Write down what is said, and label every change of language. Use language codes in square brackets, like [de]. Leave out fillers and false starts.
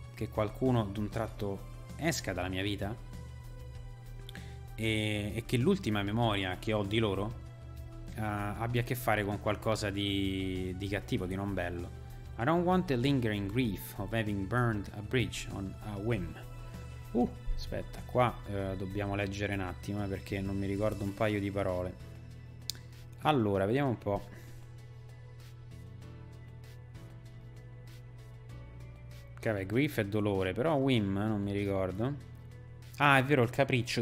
[it] che qualcuno d'un tratto esca dalla mia vita e che l'ultima memoria che ho di loro abbia a che fare con qualcosa di cattivo, di non bello. [en] I don't want the lingering grief of having burned a bridge on a whim. [it] Aspetta, qua dobbiamo leggere un attimo perché non mi ricordo un paio di parole. Allora, vediamo un po'. Che vabbè, grief è dolore, però whim non mi ricordo. Ah, è vero, il capriccio.